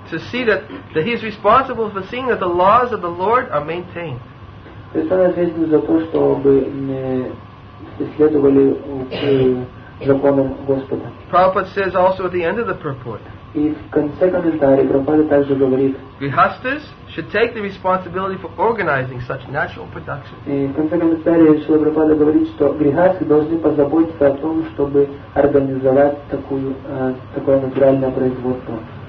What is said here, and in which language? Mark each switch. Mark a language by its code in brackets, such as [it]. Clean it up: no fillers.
[en] To see that he is responsible for seeing that the laws of the Lord are maintained. [ru] То есть он ответил за то, чтобы следовали законам Господа. [en] Prabhupada says also at the end of the purport. [ru] И в конце комментария Прабхупада также говорит. [en] Grihasthas should take the responsibility for organizing such natural production. [ru] И в конце комментария Шрила Прабхупада говорит, что грихасты должны позаботиться о том, чтобы организовать такое натуральное производство.